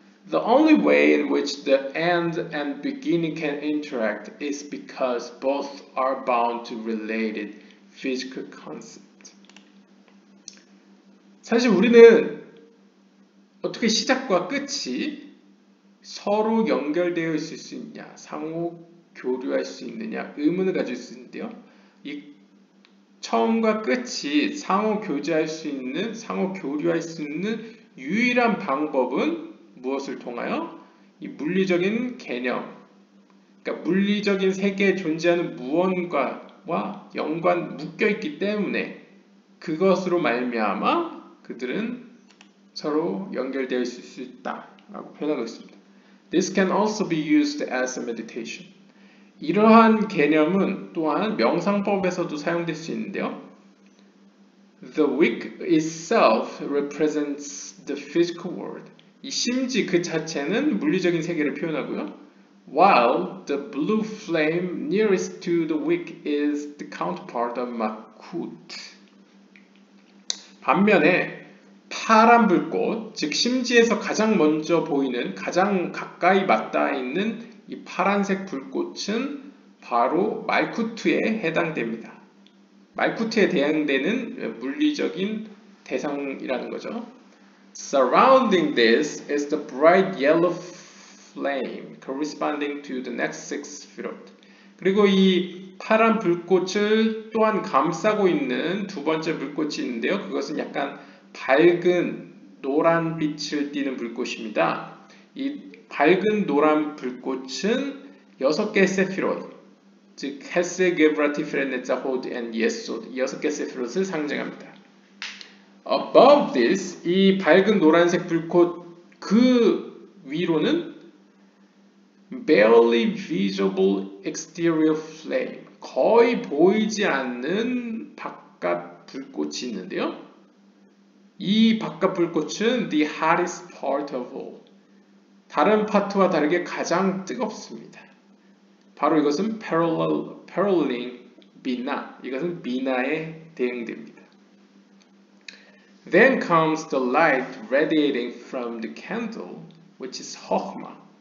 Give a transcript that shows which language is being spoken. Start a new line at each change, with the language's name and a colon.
English: The only way in which the end and beginning can interact is because both are bound to related physical concepts.
Korean: 사실 우리는 어떻게 시작과 끝이 서로 연결되어 있을 수 있냐, 상호 교류할 수 있느냐 의문을 가질 수 있는데요. 이 처음과 끝이 상호 교제할 수 있는, 상호 교류할 수 있는 유일한 방법은 무엇을 통하여? 이 물리적인 개념, 그러니까 물리적인 세계에 존재하는 무언가와 연관, 묶여있기 때문에 그것으로 말미암아 그들은 서로 연결될 수 있다라고 표현하고 있습니다.
English: This can also be used as a meditation.
Korean: 이러한 개념은 또한 명상법에서도 사용될 수 있는데요.
English: The wick itself represents the physical world.
Korean: 이 심지 그 자체는 물리적인 세계를 표현하고요.
English: While the blue flame nearest to the wick is the counterpart of Makut.
Korean: 반면에 파란 불꽃, 즉 심지에서 가장 먼저 보이는, 가장 가까이 맞닿아 있는 이 파란색 불꽃은 바로 말쿠트에 해당됩니다. 말쿠트에 대응되는 물리적인 대상이라는 거죠.
English: Surrounding this is the bright yellow flame corresponding to the next six firot.
Korean: 그리고 이 파란 불꽃을 또한 감싸고 있는 두 번째 불꽃이 있는데요. 그것은 약간 밝은 노란 빛을 띠는 불꽃입니다. 이 밝은 노란 불꽃은 여섯 개의 세피롯, 즉 헤세, 게브라, 티페레, 네자, 호드, 앤 예소드, 여섯 개의 세피롯을 상징합니다.
English: Above this,
Korean: 이 밝은 노란색 불꽃 그 위로는
English: barely visible exterior flame,
Korean: 거의 보이지 않는 바깥 불꽃이 있는데요. 이 바깥 불꽃은
English: the hottest part of all.
Korean: 다른 파트와 다르게 가장 뜨겁습니다. 바로 이것은
English: paralleling
Korean: 비나, 이것은 비나에 대응됩니다.
English: Then comes the light radiating from the candle, which is Hokma.